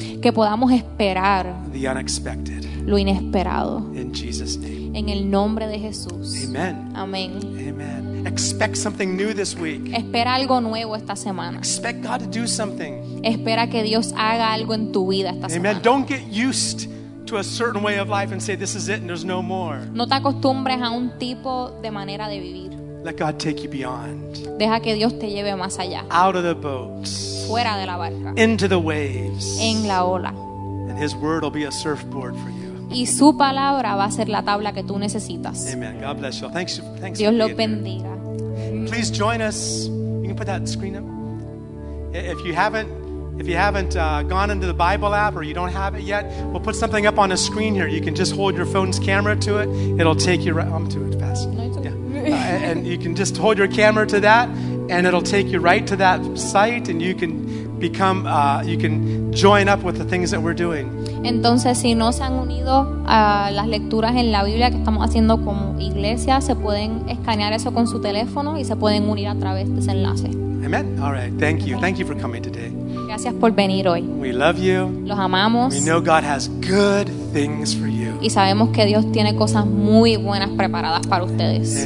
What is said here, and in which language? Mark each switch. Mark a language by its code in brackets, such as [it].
[es] Que podamos esperar. [en] The unexpected. [es] Lo inesperado. [en] In Jesus' name. [es] En el nombre de Jesús. [en] Amen. [es] Amén. [en] Amen. Expect something new this week. [es] Espera algo nuevo esta semana. [en] Expect God to do something. [es] Espera que Dios haga algo en tu vida esta [en] Amen. [es] Semana. [en] Don't get used to a certain way of life and say this is it and there's no more. [es] No te acostumbres a un tipo de manera de vivir. [en] Let God take you beyond. [es] Deja que Dios te lleve más allá. [en] Out of the boat. [es] Fuera de la barca. [en] Into the waves. [es] En la ola. [en] And His word will be a surfboard for you. [es] Y su palabra va a ser la tabla que tú necesitas. [en] Amen. God bless you. Thanks [es] Dios lo bendiga. [en] Please join us. You can put that screen up. If you haven't gone into the Bible app or you don't have it yet, we'll put something up on a screen here. You can just hold your phone's camera to it. It'll take you right. I'm too fast. No, it's okay. Yeah. And you can just hold your camera to that, and it'll take you right to that site, and you can become. You can join up with the things that we're doing. [es] Entonces, si no se han unido a las lecturas en la Biblia que estamos haciendo como iglesia, se pueden escanear eso con su teléfono y se pueden unir a través de ese enlace. [en] Amen. All right. Thank you. Thank you for coming today. [es] Gracias por venir hoy. [en] We love you. [es] Los amamos. [en] We know God has good things for you. [es] Y sabemos que Dios tiene cosas muy buenas preparadas para ustedes.